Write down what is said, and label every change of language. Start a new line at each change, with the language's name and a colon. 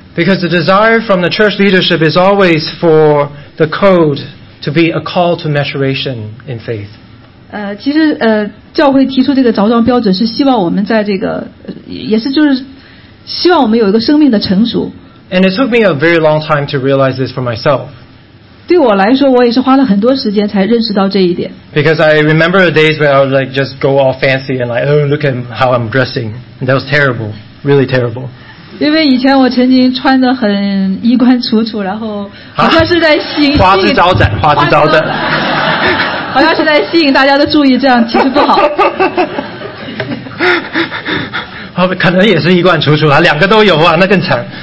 English: Because the desire from the church leadership is always for the code to be a call to maturation in faith.
Chinese: 其实教会提出这个着装标准是希望我们在这个，也是就是希望我们有一个生命的成熟。
English: And it took me a very long time to realize this for myself.
Chinese: 对我来说，我也是花了很多时间才认识到这一点。
English: Because I remember the days where I would like just go all fancy and like, oh, look at how I'm dressing. And that was terrible. Really terrible.
Chinese: 因为以前我曾经穿得很衣冠楚楚，然后好像是在吸引花枝招展，花枝招展，好像是在吸引大家的注意，这样其实不好。好，可能也是衣冠楚楚啊，两个都有啊，那更惨。